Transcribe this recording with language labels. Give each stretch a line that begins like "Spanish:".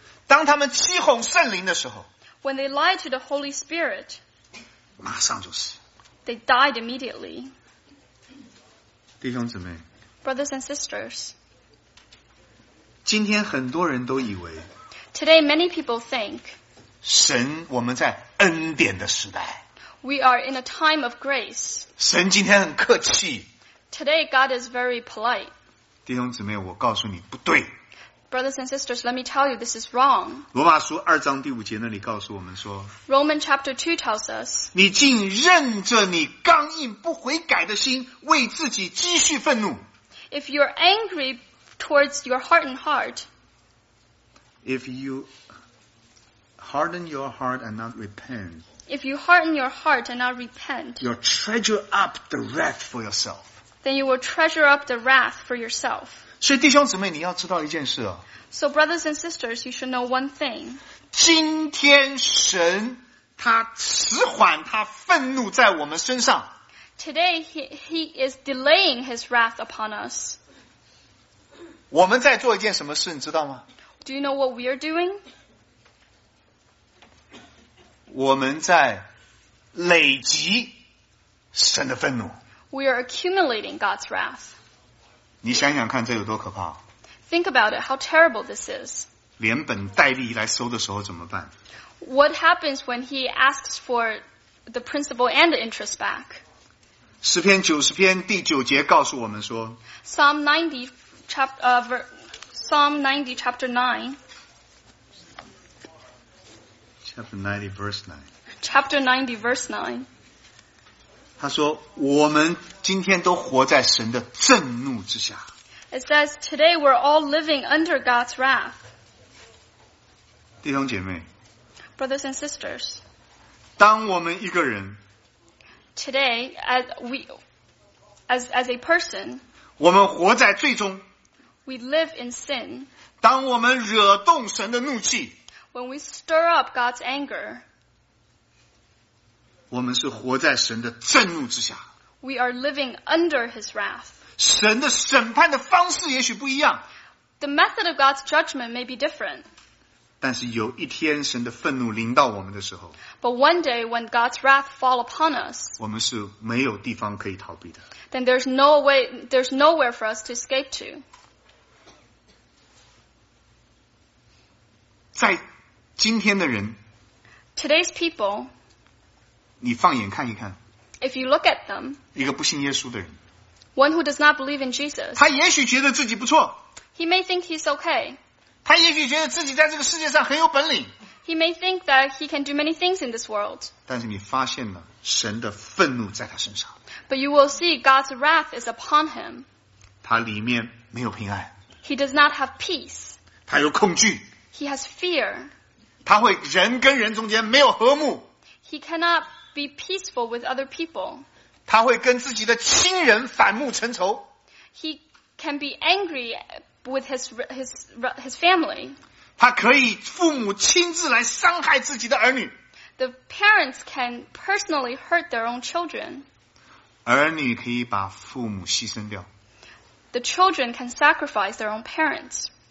Chinese: 当他们欺哄圣灵的时候。
English: When they lied to the Holy Spirit.
Chinese: 马上就死。
English: They died immediately.
Chinese: 弟兄姊妹。
English: Brothers and sisters,
Chinese: 今天很多人都以为
English: Today many people think
Chinese: 神我们在恩典的时代
English: We are in a time of grace
Chinese: 神今天很客气
English: Today God is very polite
Chinese: 弟兄姊妹我告诉你不对
English: Brothers and sisters, let me tell you this is wrong
Chinese: 罗马书二章第五节那里告诉我们说
English: Roman chapter 2 tells us
Chinese: 你竟任着你刚硬不悔改的心为自己积蓄愤怒
English: If you're angry towards your hardened heart, if you harden your heart and not repent, if you harden your heart and not repent, you'll treasure up the wrath for yourself. Then you will treasure up the wrath for yourself.
Chinese: 所以弟兄姊妹，你要知道一件事哦。
English: So brothers and sisters, you should know one thing.
Chinese: 今天神他迟缓他愤怒在我们身上。
English: Today he is delaying his wrath upon us.
Chinese: 我们在做一件什么事，你知道吗
English: ？Do you know what we are doing?
Chinese: 我们在累积神的愤怒。
English: We are accumulating God's wrath.
Chinese: 你想想看，这有多可怕
English: ？Think about it. How terrible this is.
Chinese: 连本带利来收的时候怎么办
English: ？What happens when he asks for the principal and the interest back?
Chinese: 诗篇九十篇第九节告诉我们说
English: Psalm 90 verse 9
Chinese: 他说我们今天都活在神的震怒之下
English: It says today we're all living under God's wrath
Chinese: 弟兄姐妹
English: Brothers and sisters
Chinese: 当我们一个人
English: Today, as a person,
Chinese: 我们活在罪中。
English: We live in sin.
Chinese: 当我们惹动神的怒气。
English: When we stir up God's anger.
Chinese: 我们是活在神的震怒之下。
English: We are living under His wrath.
Chinese: 神的审判的方式也许不一样。
English: The method of God's judgment may be different.
Chinese: 但是有一天神的愤怒临到我们的时候。
English: But one day when God's wrath fall upon us,
Chinese: 我们是没有地方可以逃避的。
English: Then there's nowhere for us to escape to.
Chinese: 在今天的人
English: Today's people,
Chinese: 你放眼看一看
English: If you look at them,
Chinese: 一个不信耶稣的人
English: One who does not believe in Jesus,
Chinese: 他也许觉得自己不错
English: He may think he's okay.
Chinese: 他也许觉得自己在这个世界上很有本领
English: He may think that he can do many things in this world.
Chinese: 但是你发现了神的愤怒在他身上。
English: But you will see God's wrath is upon him.
Chinese: 他里面没有平安。
English: He does not have peace.
Chinese: 他有恐惧。
English: He has fear.
Chinese: 他会人跟人中间没有和睦。
English: He cannot be peaceful with other people.
Chinese: 他会跟自己的亲人反目成仇。
English: He can be angry with his family.
Chinese: 他可以父母亲自来伤害自己的儿女。
English: The parents can personally hurt their own children.
Chinese: 儿女可以把父母牺牲掉。
English: The children can sacrifice their own parents.